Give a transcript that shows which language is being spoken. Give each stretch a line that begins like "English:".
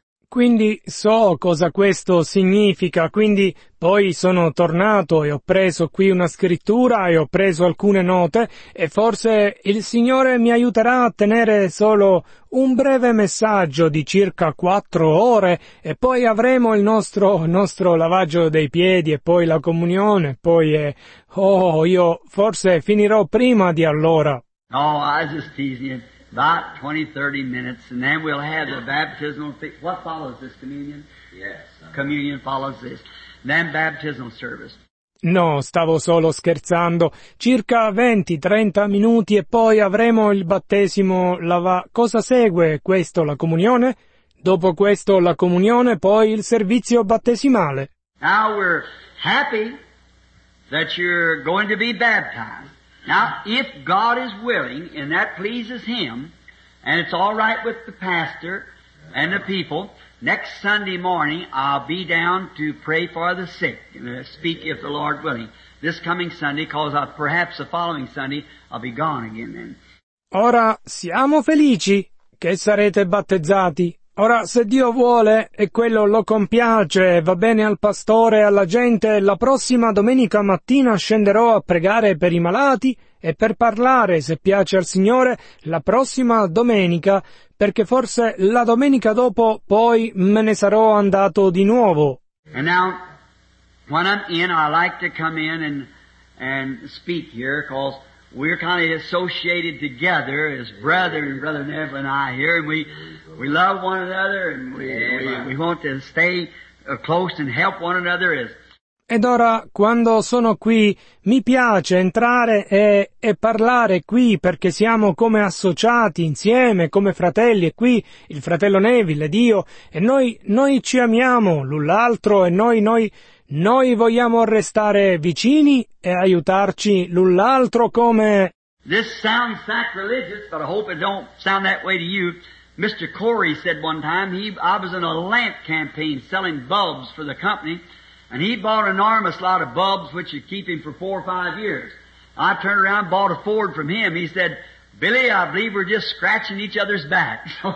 Italian: Quindi so cosa questo significa, quindi poi sono tornato e ho preso qui una scrittura e ho preso alcune note e forse il Signore mi aiuterà a tenere solo un breve messaggio di circa 4 ore e poi avremo il nostro lavaggio dei piedi e poi la comunione, poi io forse finirò prima di allora.
English: No, I was just teasing. About 20-30 minutes, and then we'll have the baptismal. What follows this communion? Yes. Communion follows this. Then baptismal service.
Italian: No, stavo solo scherzando. Circa 20-30 minuti e poi avremo il battesimo. Cosa segue questo, la comunione? Dopo questo la comunione, poi il servizio battesimale.
English: Now we're happy that you're going to be baptized. Now, if God is willing, and that pleases Him, and it's all right with the pastor and the people, next Sunday morning I'll be down to pray for the sick, and speak if the Lord willing, this coming Sunday, because perhaps the following Sunday I'll be gone again then.
Italian: Ora siamo felici che sarete battezzati. Ora, se Dio vuole, e quello lo compiace, va bene al pastore e alla gente, la prossima domenica mattina scenderò a pregare per i malati e per parlare, se piace al Signore, la prossima domenica, perché forse la domenica dopo poi me ne sarò andato di nuovo.
English: And now, when I'm in, I like to come in and speak here, because we're kind of associated together as brother and brother Neville and I here, and we love one another, and we want to stay close and help one another.
Italian: Ed ora, quando sono qui, mi piace entrare e parlare qui, perché siamo come associati insieme, come fratelli, e qui il fratello Neville ed io, e noi ci amiamo l'un l'altro, e noi vogliamo restare vicini e aiutarci l'un l'altro come...
English: This sounds sacrilegious, but I hope it don't sound that way to you. Mr. Corey said one time, I was in a lamp campaign selling bulbs for the company, and he bought an enormous lot of bulbs which would keep him for 4 or 5 years. I turned around and bought a Ford from him. He said, Billy, I believe we're just scratching each other's back.